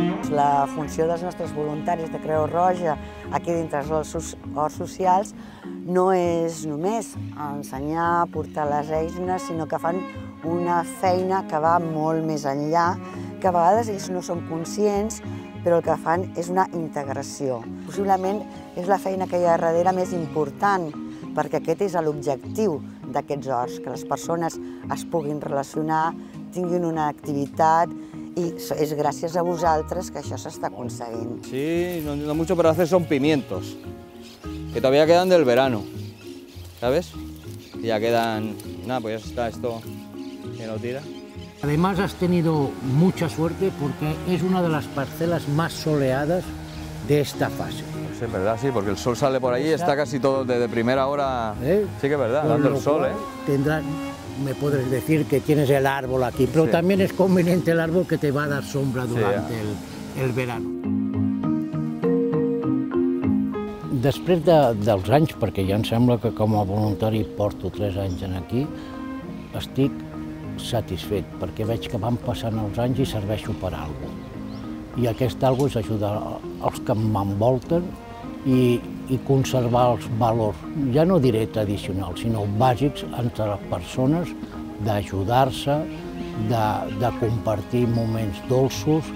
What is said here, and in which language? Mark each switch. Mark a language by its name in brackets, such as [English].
[Catalan] La funció dels nostres voluntaris de Creu Roja aquí dintre els horts socials no és només ensenyar a portar les eines, sinó que fan una feina que va molt més enllà, que a vegades ells no són conscients, però el que fan és una integració. Possiblement és la feina que hi ha darrere més important, perquè aquest és l'objectiu d'aquests horts, que les persones es puguin relacionar, tinguin una activitat, [Spanish] y es gracias a vosotros que eso se está consiguiendo. Sí, lo no mucho para hacer son pimientos, que todavía quedan del verano, ¿sabes? Ya quedan, nada, pues ya está esto que lo tira. Además has tenido mucha suerte porque es una de las parcelas más soleadas de esta fase. Sí, es verdad, sí, porque el sol sale por ahí, está casi todo desde primera hora, sí que es verdad, dando el sol, ¿eh? Tendrán... Me podrás decir que tienes el árbol aquí, pero sí. También es conveniente el árbol que te va a dar sombra durante el verano. [Catalan] Después dels anys, [Spanish] porque ya [Catalan] em sembla que como voluntari porto 3 anys aquí, estic satisfet porque veig que van passant els anys i serveixo per algo. I aquest algo és ajudar els que m'envolten i conservar els valors, ja no diré tradicionals, sinó bàsics entre les persones, d'ajudar-se, de compartir moments dolços.